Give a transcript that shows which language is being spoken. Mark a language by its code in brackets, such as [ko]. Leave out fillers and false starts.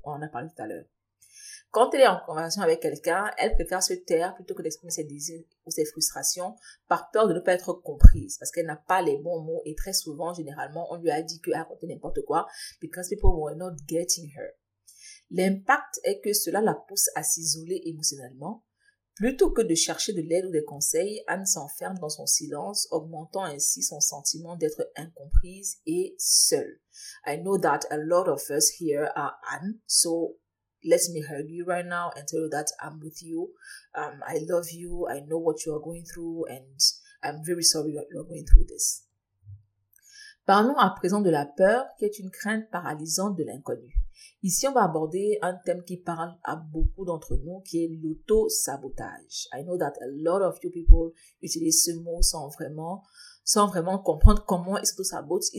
[fr] On en a parlé tout à l'heure. Quand elle est en conversation avec quelqu'un, elle préfère se taire plutôt que d'exprimer ses désirs ou ses frustrations par peur de ne pas être comprise parce qu'elle n'a pas les bons mots et très souvent, généralement, on lui a dit qu'elle a raconté n'importe quoi [en] because people were not getting her. [fr] L'impact est que cela la pousse à s'isoler émotionnellement. Plutôt que de chercher de l'aide ou des conseils, Anne s'enferme dans son silence, augmentant ainsi son sentiment d'être incomprise et seule. [en] I know that a lot of us here are Anne, so let me hug you right now and tell you that I'm with you. I love you. I know what you are going through and I'm very sorry you're going through this. [fr] Parlons à présent de la peur, qui est une crainte paralysante de l'inconnu. Ici, on va aborder un thème qui parle à beaucoup d'entre nous, qui est l'auto-sabotage. [en] I know that a lot of you people [fr] utilise ce mot sans vraiment comprendre comment ils s'auto-sabotent.